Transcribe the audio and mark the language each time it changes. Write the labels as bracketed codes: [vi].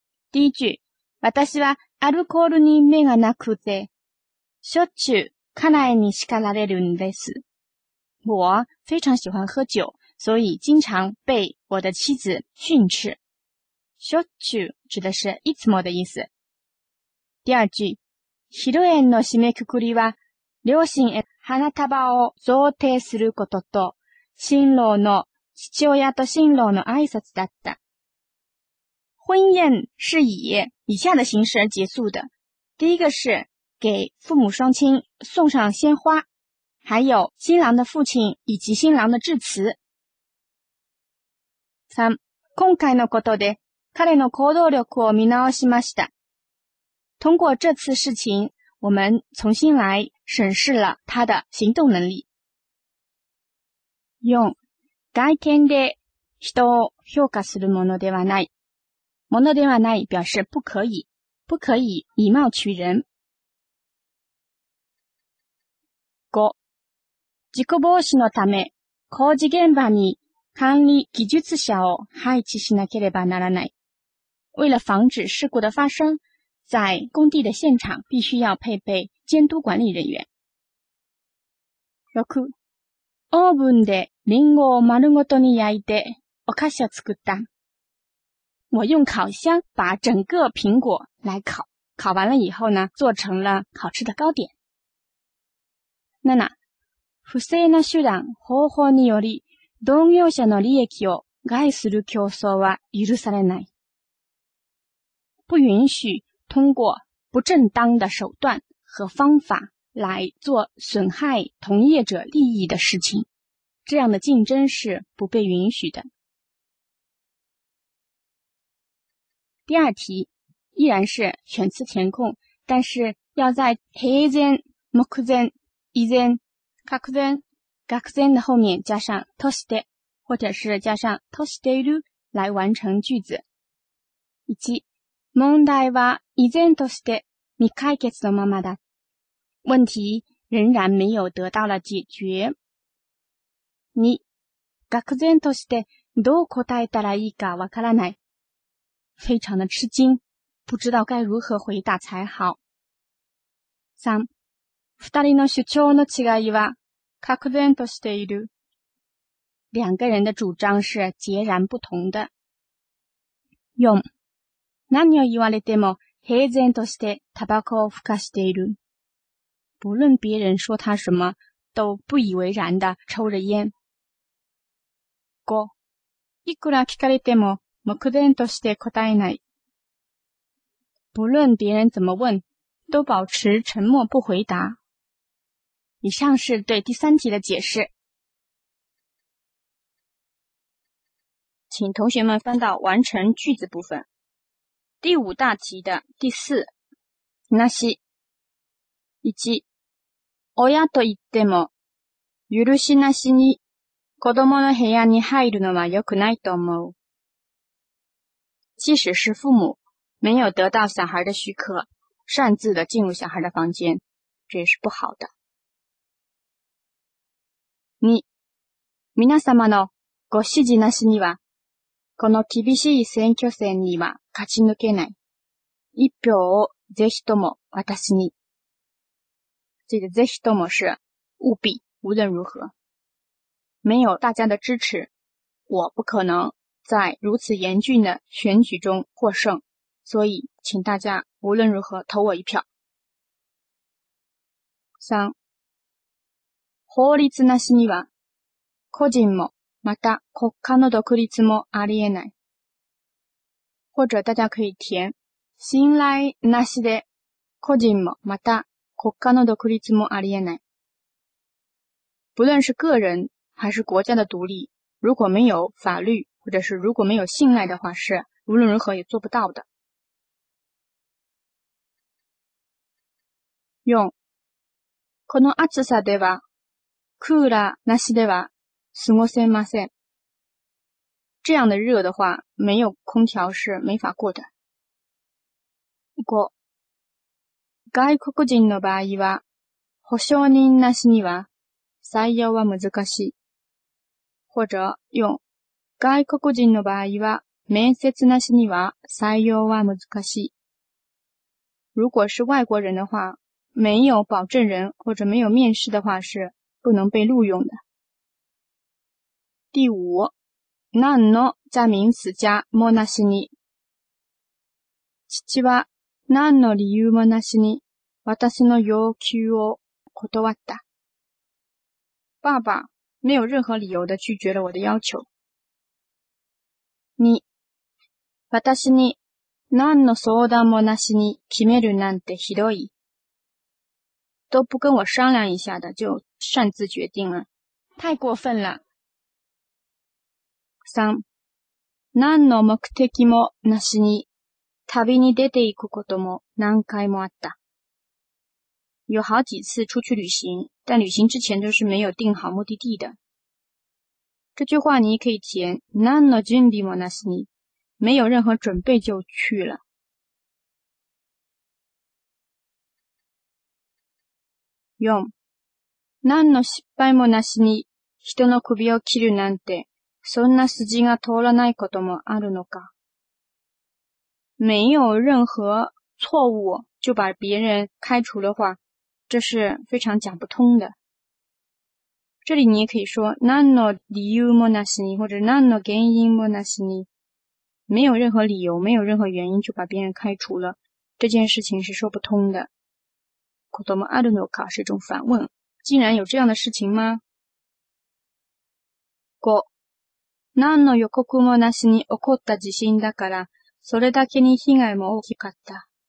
[zh] 第一句， [ja] 私はアルコールに目がなくて、しょっちゅう家内に叱られるんです。 [zh] 我非常喜欢喝酒，所以经常被我的妻子训斥。 [ja] しょっちゅう [zh] 指的是 [ja] いつもの [zh] 意思。第二句， [ja] 披露宴の締めくくりは、両親へ花束を贈呈することと、新郎の父親と新郎の挨拶だった。 [zh] 婚宴是以下的形式而结束的。第一个是给父母双亲送上鲜花，还有新郎的父亲以及新郎的致辞。 [ja] 三、今回のことで彼の行動力を見直しました。 [zh] 通过这次事情，我们重新来审视了他的行动能力。 4. [ja] 外見で人を評価するものではない。ものではない [zh] 表示不可以。不可以以貌取人。 [ja] 5. 事故防止のため、工事現場に管理技術者を配置しなければならない。 [zh] 为了防止事故的发生，在工地的现场必须要配备监督管理人员。 6. [ja] オーブンでリンゴを丸ごとに焼いてお菓子を作った。 [zh] 我用烤箱把整个苹果来烤，烤完了以后呢，做成了好吃的糕点。 7. [ja] 不正な手段方法により同業者の利益を害する競争は許されない。 [zh] 不允许通过不正当的手段和方法来做损害同业者利益的事情，这样的竞争是不被允许的。第二题依然是选词填空，但是要在平前、目前、以前、学前、学前的后面加上 [ja] として， [zh] 或者是加上 [ja] としている [zh] 来完成句子。 [ja] 1問題は依然として未解決のままだ。 [zh] 问题仍然没有得到了解决。 2. [ja] 愕然としてどう答えたらいいかわからない。 [zh] 非常的吃惊，不知道该如何回答才好。 3. [ja] 二人の主張の違いは愕然としている。 [zh] 两个人的主张是截然不同的。 4. [ja] 何を言われても平然としてタバコをふかしている。 [zh] 不论别人说他什么，都不以为然的抽着烟。 5. [ja] いくら聞かれても目前として答えない。 [zh] 不论别人怎么问，都保持沉默不回答。以上是对第三题的解释。请同学们翻到完成句子部分。第五大题的第四。 [ja] なし。1. 親と言っても、許しなしに子供の部屋に入るのは良くないと思う。 [zh] 即使是父母没有得到小孩的许可，擅自的进入小孩的房间，这也是不好的。 2. [ja] 皆様のご指示なしには、この厳しい選挙戦には勝ち抜けない。一票をぜひとも私に。 [zh] 这个 [ja] ぜひとも [zh] 是务必，无论如何。没有大家的支持，我不可能在如此严峻的选举中获胜，所以请大家无论如何投我一票。 3. [ja] 法律なしには、個人もまた国家の独立もありえない。 [zh] 或者大家可以填、 [ja] 信頼なしで、個人もまた国家の独立もありえない。 [zh] 不论是个人还是国家的独立，如果没有法律或者是如果没有信赖的话，是无论如何也做不到的。用 [ja] この暑さではクーラーなしでは過ごせません。 [zh] 这样的热的话，没有空调是没法过的。 5. [ja] 外国人の場合は保証人なしには採用は難しい。 [zh] 或者用 [ja] 外国人の場合は面接なしには採用は難しい。 [zh] 如果是外国人的话，没有保证人或者没有面试的话是不能被录用的。第五， [ja] 何の [zh] 加名词加 [ja] もなしに。父は何の理由もなしに私の要求を断った。 [zh] 爸爸没有任何理由的拒绝了我的要求。 [ja] に、私に何の相談もなしに決めるなんてひどい。 [zh] 都不跟我商量一下的就擅自决定了。太过分了。 [ja] 三、何の目的もなしに旅に出ていくことも何回もあった。 [zh] 有好几次出去旅行，但旅行之前都是没有定好目的地的。这句话你可以填 [ja] 何の準備もなしに， [zh] 没有任何准备就去了。 [ja] 4. 何の失敗もなしに人の首を切るなんてそんな筋が通らないこともあるのか。 [zh] 没有任何错误就把别人开除的话，这是非常讲不通的。这里你也可以说 [ja] 何の理由もなしに， [zh] 或者 [ja] 何の原因もなしに， [zh] 没有任何理由，没有任何原因就把别人开除了，这件事情是说不通的。 [ja] こともあるのか [zh] 是一种反问，竟然有这样的事情吗？五、 [ja] 何の予告もなしに起こった地震だから、それだけに被害も大きかった。